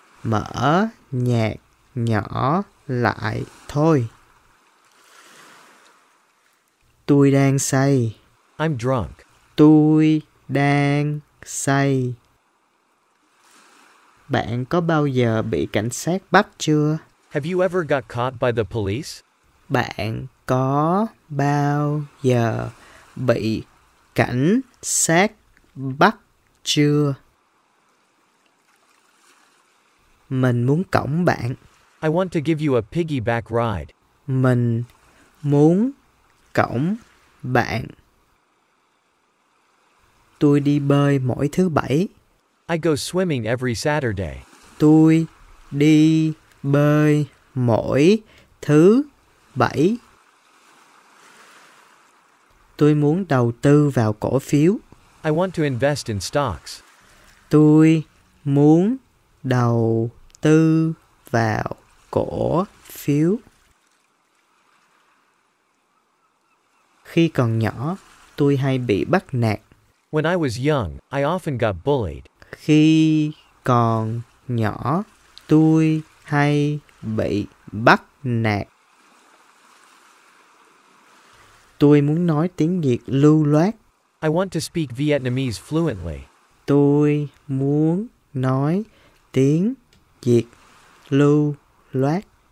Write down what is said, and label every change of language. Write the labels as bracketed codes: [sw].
[vi] Mở nhạc nhỏ lại thôi. Tôi đang say. [en] I'm drunk. [vi] Tôi đang say. Bạn có bao giờ bị cảnh sát bắt chưa? [en] Have you ever got caught by the police? [vi] Bạn có bao giờ bị cảnh sát bắt chưa? Mình muốn cõng bạn. [en] I want to give you a piggyback ride. [vi] Mình muốn cõng bạn. Tôi đi bơi mỗi thứ bảy. [en] I go swimming every Saturday. [vi] Tôi đi bơi mỗi thứ bảy. Tôi muốn đầu tư vào cổ phiếu. [en] I want to invest in stocks. [vi] Tôi muốn đầu tư vào cổ phiếu. Khi còn nhỏ, tôi hay bị bắt nạt. [en] When I was young, I often got bullied. [vi] Khi còn nhỏ, tôi hay bị bắt nạt. Tôi muốn nói tiếng Việt lưu loát. [en] I want to speak Vietnamese fluently. [vi] Tôi muốn nói tiếng Việt lưu loát.